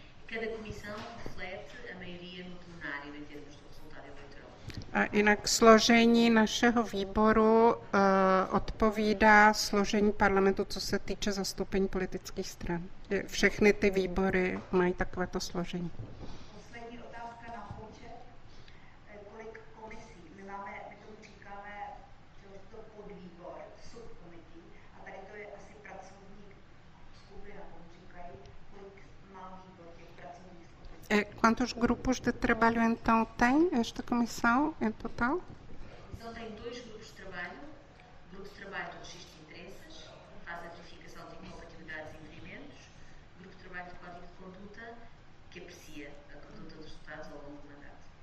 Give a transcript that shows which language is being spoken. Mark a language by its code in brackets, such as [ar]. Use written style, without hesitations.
[pt] Cada comissão reflete a maioria no plenário em termos do resultado eleitoral. [cs] Jinak složení našeho výboru odpovídá složení parlamentu, co se týče zastoupení politických stran. Všechny ty výbory mají takovéto složení. Poslední otázka na počet. Kolik komisí? My máme, my tomu říkáme, to podvýbor, subkomití, a tady to je asi pracovník skupina, tomu říkají, kolik má výbor těch pracovních skupin. [pt] Quantos grupos de trabalho então tem esta comissão em total? Então tem dois grupos de trabalho, grupo de trabalho de registro de interesses, faz a verificação de incompatibilidades e impedimentos, grupo de trabalho de código de conduta, que aprecia a conduta dos deputados ao longo do mandato.